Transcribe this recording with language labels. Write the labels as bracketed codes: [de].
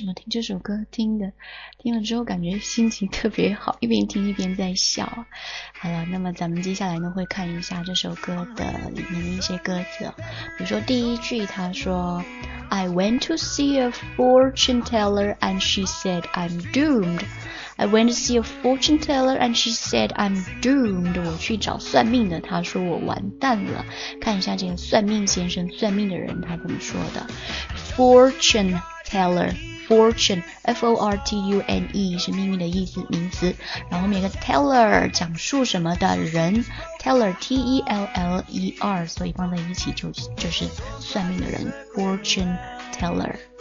[zh] 这首歌听了之后感觉心情特别好，一边听一边在笑。好了，那么咱们接下来呢会看一下这首歌的里面的一些歌词，比如说第一句他说 [en] I went to see a fortune teller and she said I'm doomed. I went to see a fortune teller and she said I'm doomed. [zh] 我去找算命的，他说我完蛋了。看一下这个算命先生，算命的人他怎么说的。 Fortune tellerFortune, F-O-R-T-U-N-E 是秘密的意思，名词。然后每个 teller 讲述什么的人， teller, T-E-L-L-E-R， 所以放在一起就是算命的人， fortune teller。